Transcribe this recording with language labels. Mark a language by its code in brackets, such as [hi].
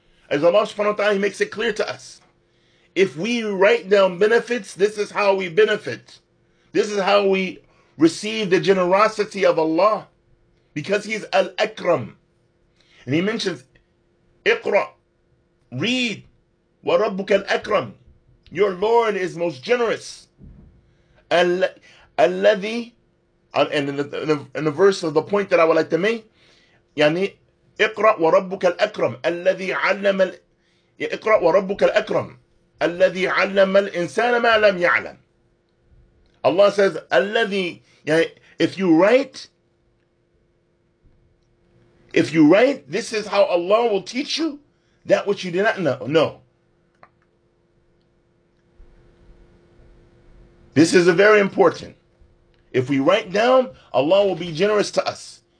[en] As Allah subhanahu wa ta'ala, He makes it clear to us. If we write down benefits, this is how we benefit. This is how we receive the generosity of Allah. Because He's Al-Akram. And He mentions, Iqra, read, [ar] وَرَبُّكَ الْأَكْرَمُ. [en] Your Lord is most generous. [ar] الَّذِي, [en] and in the verse of the point that I would like to make, [ar] يعني اقرأ وربك الأكرم الذي علم اقرأ وربك الأكرم الذي علم الإنسان ما لم يعلم. [en] Allah says [ar] الذي, [en] if you write, this is how Allah will teach you that which you did not know. This is a very important. If we write down, Allah will be generous to us.